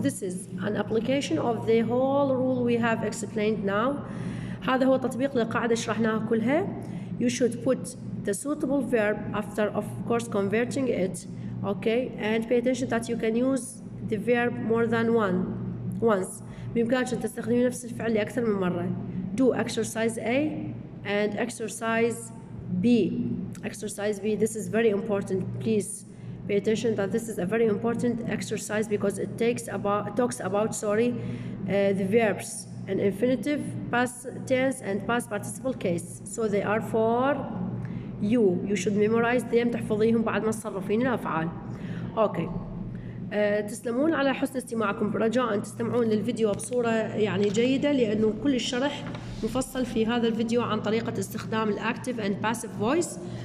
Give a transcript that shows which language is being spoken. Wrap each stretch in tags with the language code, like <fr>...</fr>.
<en>This is an application of the whole rule we have explained now.</en> <ar>هذا هو تطبيق للقاعدة شرحناها كلها.</ar> <en>You should put the suitable verb after, of course, converting it. Okay, and pay attention that you can use the verb more than once.</en> <ar>بإمكانك أن تستخدمي نفس الفعل لأكثر من مرة.</ar> <en>Do exercise A and exercise B. Exercise B, this is very important. Please pay attention that this is a very important exercise because it talks about the verbs in infinitive, past tense and past participle case. So they are for you. You should memorize them.</en> <ar>تحفظيهم بعد ما تصرفين الأفعال. Okay. تسلمون على حسن استماعكم. رجاء أن تستمعون للفيديو بصورة يعني جيدة لأنه كل الشرح مفصل في هذا الفيديو عن طريقة استخدام الـ active and passive voice.</ar>